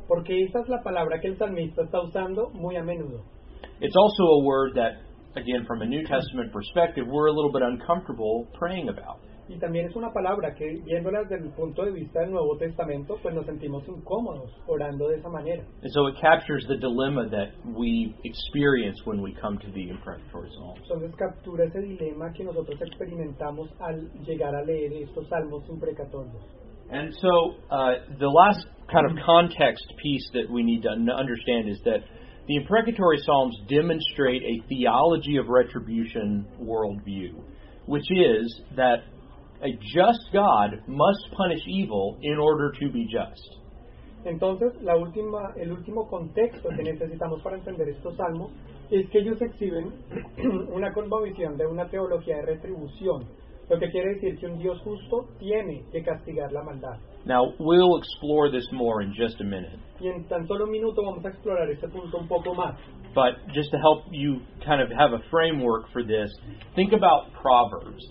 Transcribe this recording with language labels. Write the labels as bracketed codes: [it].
[es] Porque esa es la palabra que el salmista está usando muy a menudo. [en] It's also a word that, again, from a New Testament perspective, we're a little bit uncomfortable praying about. [es] Y también es una palabra que, viéndola desde el punto de vista del Nuevo Testamento, pues nos sentimos incómodos orando de esa manera. [en] And so it captures the dilemma that we experience when we come to the imprecatory psalms. [es] Entonces captura ese dilema que nosotros experimentamos al llegar a leer estos salmos imprecatorios. [en] And so the last kind of context piece that we need to understand is that the imprecatory psalms demonstrate a theology of retribution worldview, which is that a just God must punish evil in order to be just. [es] Entonces, el último contexto que necesitamos para entender estos salmos es que ellos exhiben una cosmovisión de una teología de retribución, lo que quiere decir que un Dios justo tiene que castigar la maldad. [en] Now, we'll explore this more in just a minute. [es] Y en tan solo un minuto vamos a explorar este punto un poco más. [en] But just to help you kind of have a framework for this, think about Proverbs.